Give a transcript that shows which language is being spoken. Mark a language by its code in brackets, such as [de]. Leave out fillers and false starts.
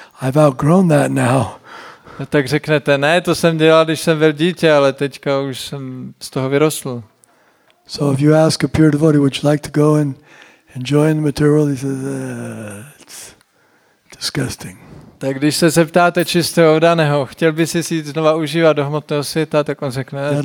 [en] I've outgrown that now. [cs] A tak řeknete, ne, to jsem dělal, když jsem byl dítě, ale teďka už jsem z toho vyrostl. [en] So if you ask a pure devotee, would you like to go and enjoy the material, he says, it's disgusting. [cs] Tak když se zeptáte čistého oddaného, chtěl by si jít znova užívat do hmotného světa, tak on řekne,